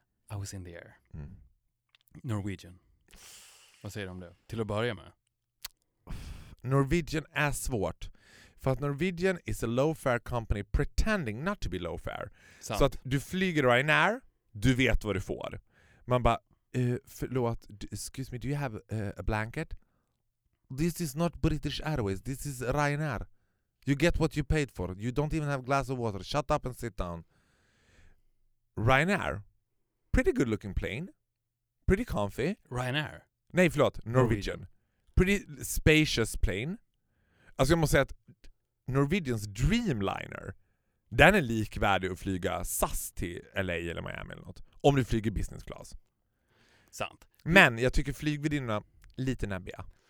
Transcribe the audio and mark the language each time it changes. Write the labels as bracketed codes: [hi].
[en] I was in the air. [sv] Mm. Norwegian. Vad säger du om det? Till att börja med. Norwegian är svårt. För att [en] Norwegian is a low-fare company pretending not to be low-fare. [sv] Sant. Så att du flyger Ryanair, du vet vad du får. Man bara, förlåt, [en] excuse me, do you have a blanket? This is not British Airways, this is Ryanair. You get what you paid for, you don't even have a glass of water, shut up and sit down. Ryanair, pretty good looking plane, pretty comfy. Ryanair? [sv] Nej, förlåt, [en] Norwegian. Pretty spacious plane. [sv] Alltså jag måste säga att Norwegians Dreamliner, den är likvärdig att flyga SAS till LA eller Miami eller något. Om du flyger business class. Sant. Men jag tycker flygvärdinnorna lite näbbiga.